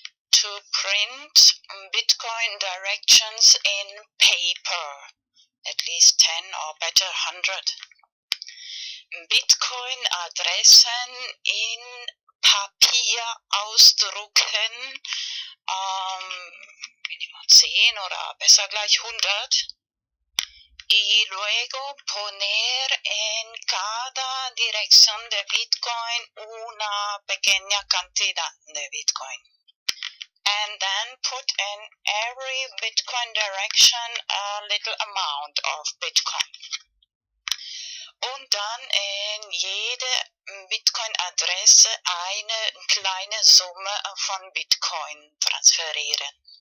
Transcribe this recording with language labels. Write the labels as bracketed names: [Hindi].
[English] To print Bitcoin directions in paper, at least 10 or better 100. [German] Bitcoin-Adressen in Papierausdrucken, minimal 10 oder besser gleich 100. [Spanish] Y luego poner en cada dirección de Bitcoin una pequeña cantidad de Bitcoin. [English] And then put in every Bitcoin direction a little amount of Bitcoin. [German] Und dann in jede Bitcoin-Adresse eine kleine Summe von Bitcoin transferieren.